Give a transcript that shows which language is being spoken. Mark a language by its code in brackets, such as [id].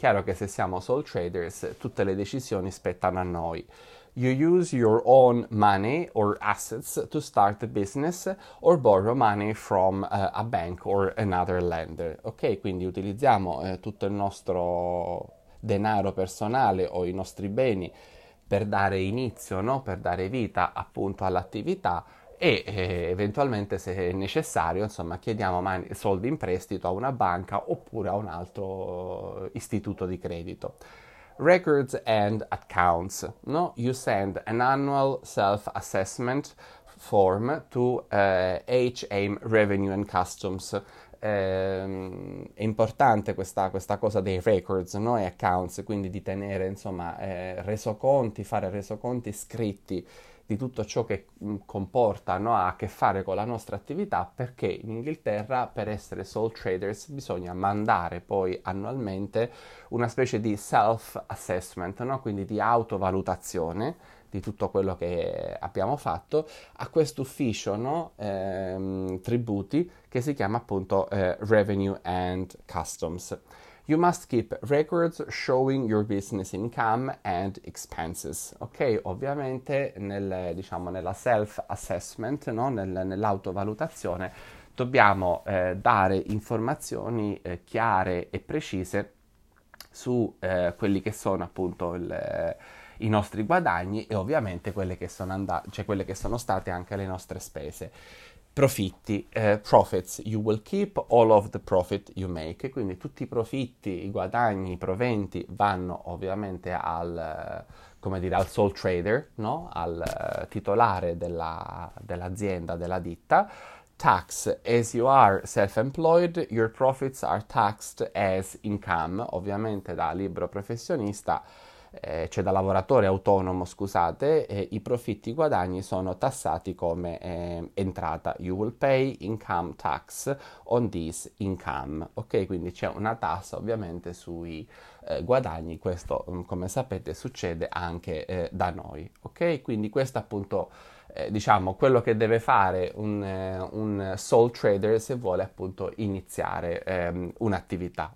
[it] È chiaro che se siamo sole traders, tutte le decisioni spettano a noi. [en] You use your own money or assets to start a business or borrow money from a bank or another lender. [it] Ok, quindi utilizziamo tutto il nostro denaro personale o i nostri beni per dare inizio, no? Per dare vita appunto all'attività e eventualmente se è necessario, insomma, chiediamo soldi in prestito a una banca oppure a un altro istituto di credito. [en] Records and accounts, no? You send an annual self-assessment form to HM Revenue and Customs. [it] È importante questa cosa dei records, no? E accounts, quindi di tenere, insomma, resoconti, fare resoconti scritti di tutto ciò che comporta, no? Ha a che fare con la nostra attività, perché in Inghilterra per essere sole traders bisogna mandare poi annualmente una specie di self-assessment, no? Quindi di autovalutazione di tutto quello che abbiamo fatto a questo ufficio, no? Tributi che si chiama appunto Revenue and Customs. [en] You must keep records showing your business income and expenses. [it] Ok, ovviamente diciamo, nella self-assessment, no? Nell'autovalutazione, dobbiamo dare informazioni chiare e precise su quelli che sono appunto i nostri guadagni e ovviamente quelle che sono state anche le nostre spese. Profitti, profits, [en] you will keep all of the profit you make, [it] quindi tutti i profitti, i guadagni, i proventi vanno ovviamente come dire, al sole trader, no? Al titolare dell'azienda, della ditta, [en] Tax. As you are self-employed, your profits are taxed as income. [it] Ovviamente da libero professionista, cioè da lavoratore autonomo, scusate, i profitti guadagni sono tassati come entrata. [en] You will pay income tax on this income. [it] Ok, quindi c'è una tassa ovviamente sui guadagni. Questo, come sapete, succede anche da noi. Ok, quindi questo appunto. Diciamo quello che deve fare un sole trader se vuole appunto iniziare un'attività.